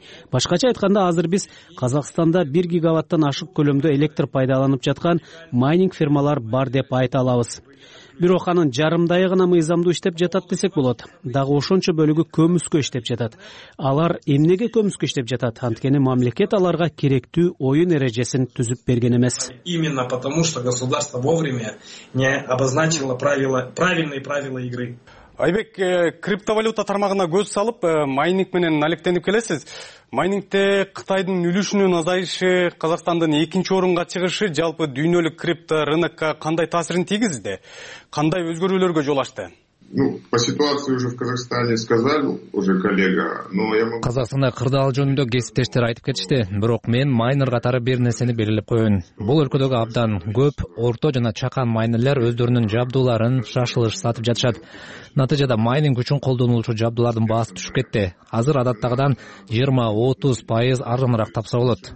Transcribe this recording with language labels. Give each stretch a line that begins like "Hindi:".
Kyrgyz: Башкача айтканда, азыр биз Казакстанда 1 гигаваттан ашык көлөмдө электр пайдаланып жаткан майнинг фермалар бар деп айта алабыз. Бирок анын жарымдайы гана мыйзамдуу иштеп жатат десек болот. Дагы ошончо бөлүгү көмүскө иштеп жатат. Алар эмнеге көмүскө иштеп жатат? Анткени мамлекет аларга керектүү оюн эрежесин түзүп берген эмес.
Russian: Именно потому что государство вовремя не обозначило правила, правильные правила игры.
Kyrgyz: Айбек, криптовалюта тармагына көз салып, майнинг менен алектенип келесиз. Майнингте Кытайдын үлүшүнүн азайышы, Казакстандын экинчи орунга чыгышы жалпы дүйнөлүк крипто рынокко кандай таасирин тийгизди? Кандай өзгөрүүлөргө жол ачты?
Russian: Ну, по ситуации уже в Казахстане сказали уже коллега, но я могу...
Kyrgyz: Казахстанда кырдаал жөнүндө кесиптештер айтып кетишти, бирок мен майнер катары бир нерсени белгилеп коеюн. Бул өлкөдөгү абдан көп орто жана чакан майнерлер өздөрүнүн жабдууларын шашылыш сатып жатышат. Натыйжада майнинг үчүн колдонулуучу жабдуулардын баасы түшүп кетти. Азыр адаттагыдан 20-30% арзаныраак тапса болот.